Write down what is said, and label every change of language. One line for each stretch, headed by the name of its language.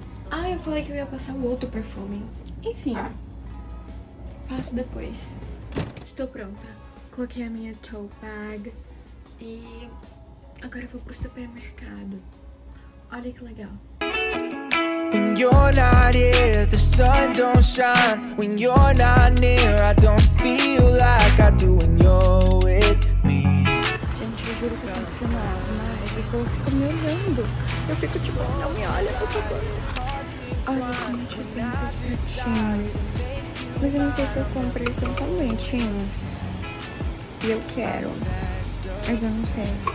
Portuguese: Ah, eu falei que eu ia passar o outro perfume. Enfim, passo depois. Estou pronta. Coloquei a minha tote bag e agora eu vou pro supermercado. Olha que legal.
English: When you're not here, the sun don't shine. When you're not near, I don't feel like I do when you're with me.
Portuguese: Gente, eu juro que eu tô filmando, mas eu fico me olhando. Eu fico tipo, não me olha, por favor. Olha como eu tenho esses pretinhos. Mas eu não sei se eu compro eles tão bonitinhos. E eu quero. Mas eu não sei.